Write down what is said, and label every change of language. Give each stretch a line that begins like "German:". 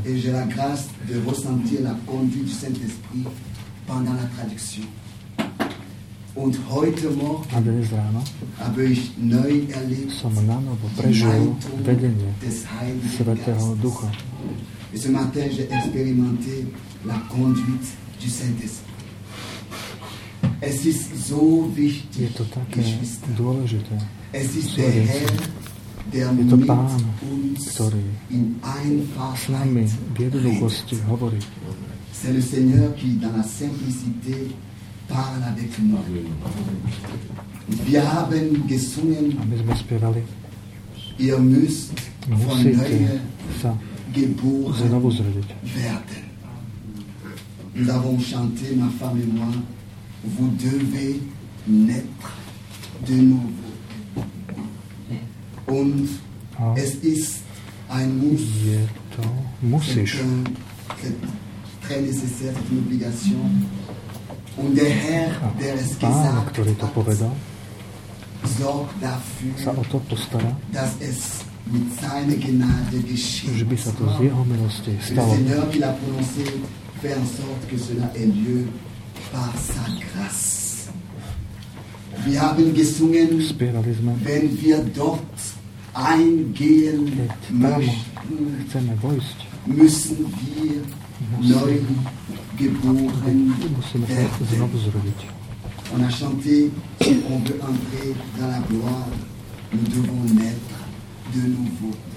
French: Et j'ai la grâce de ressentir la conduite du Saint-Esprit pendant la traduction.
German: Und heute Morgen habe ich neu erlebt die Leitung des Heiligen Geistes.
French: Et ce matin, j'ai expérimenté la conduite du Saint-Esprit.
German: Es ist so wichtig,
Slovak: je to také
German: Geschwister.
Slovak: Dôležité.
German: Es ist der Herr, der
Slovak: je to Pán,
German: mit uns
Slovak: ktorý
German: in einfachheit
Slovak: s nami v jednoduchosti hovorí.
French: C'est le Seigneur qui, dans la simplicité, parle avec moi.
German: Wir haben gesungen,
Slovak: a my sme spievali,
German: ihr müsst
Slovak: musíte sa znovu zrodiť.
French: Nous avons chanté, ma femme et moi, vous devez naître de nouveau.
German: Und es ist ein Muss.
French: C'est très nécessaire, c'est une obligation.
German: Und der Herr, der es gesagt hat, sorgt dafür,
Slovak: sa o to postará,
German: dass es mit seiner Gnade geschieht.
Slovak: Že by sa to z jeho milosti stalo.
French: Le Seigneur qui l'a prononcé fait en sorte que cela ait lieu par sa grâce.
German: Wir haben gesungen, wenn wir dort eingehen möchten, müssen wir neu geboren werden.
French: On a chanté, si on veut entrer dans la gloire, nous devons naître de nouveau.